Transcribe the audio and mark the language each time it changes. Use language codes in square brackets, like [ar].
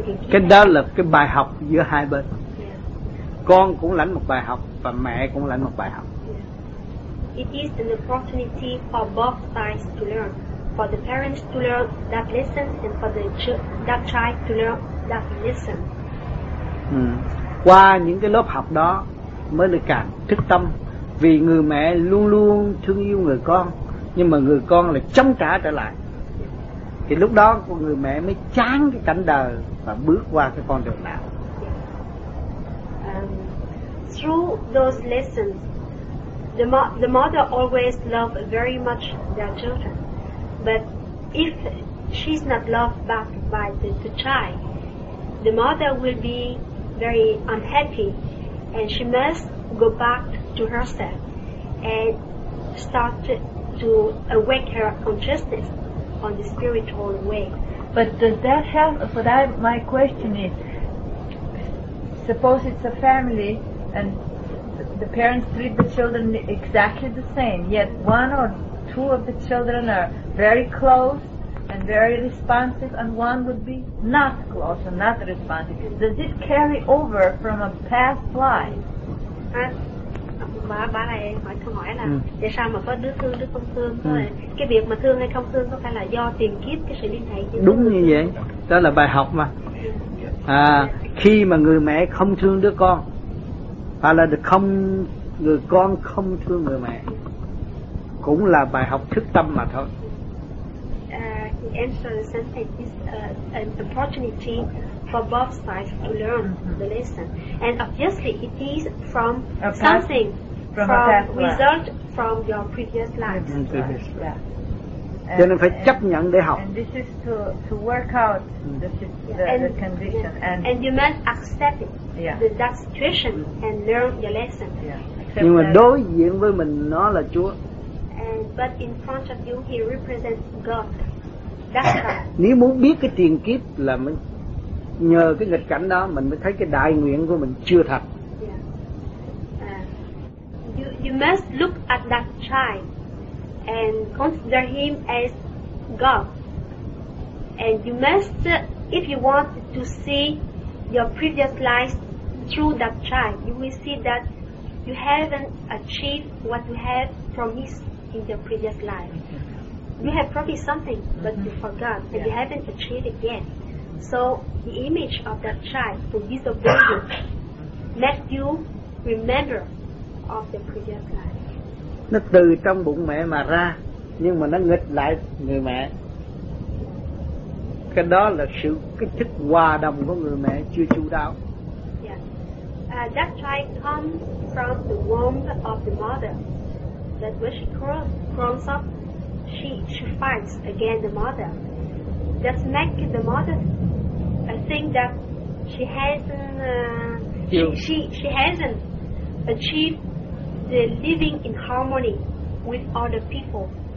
[vi] cái đó là cái bài học giữa hai bên. Con cũng lãnh một bài học và mẹ cũng lãnh một bài học. [en] It is an opportunity for both sides to learn, for the parents to learn that lesson and for the that child to learn that lesson. [vi] Qua những cái lớp học đó mới được càng thức tâm, vì người mẹ luôn luôn thương yêu người con, nhưng mà người con lại chống trả trở lại. Thì lúc đó con người mẹ mới chán cái cảnh đời và bước qua cái con đường nào. [en] Through those lessons, the mother always loved very much their children. But if she's not loved back by the child, the mother will be very unhappy and she must go back to herself and start to awake her consciousness on the spiritual way. But does that help? For that, my question is, suppose it's a family and the parents treat the children exactly the same, yet one or two of the children are very close and very responsive, and one would be not close and not responsive. Does it carry over from a past life? [vi] Bà này hỏi câu hỏi là tại sao mà có đứa thương đứa không thương thôi. Cái việc mà thương hay không thương có phải là do tiền kiếp cái sự liên hệ chứ? Đúng như vậy, đó là bài học mà. À, khi mà người mẹ không thương đứa con, hoặc là không người con không thương người mẹ, cũng là bài học thức tâm mà thôi. [en] The answer is an opportunity for both sides to learn the lesson, and obviously it is from something from result from your previous lives. [vi] Cho nên phải chấp nhận để học. [en] And this is to work out the condition. And you must accept it, that situation and learn your lesson. [vi] Nhưng mà đối diện với mình nó là Chúa. [en] But in front of you he represents God. [vi] Nếu muốn biết cái tiền kiếp là mình nhờ cái nghịch cảnh đó mình mới thấy cái đại nguyện của mình chưa thật. [en] You must look at that child and consider him as God. And you must, if you want to see your previous life through that child, you will see that you haven't achieved what you have promised in your previous life. You have promised something, but you forgot, and you haven't achieved it yet. So the image of that child who disobeyed you makes you remember of the previous life. [vi] Nó từ trong bụng mẹ mà ra, nhưng mà nó nghịch lại người mẹ. Cái đó là sự cái thức hòa đồng của người mẹ chưa chu đáo. [en] That child comes from the womb of the mother. That when she grows up, she fights against the mother. That makes the mother think that she hasn't achieved the living in harmony with other people.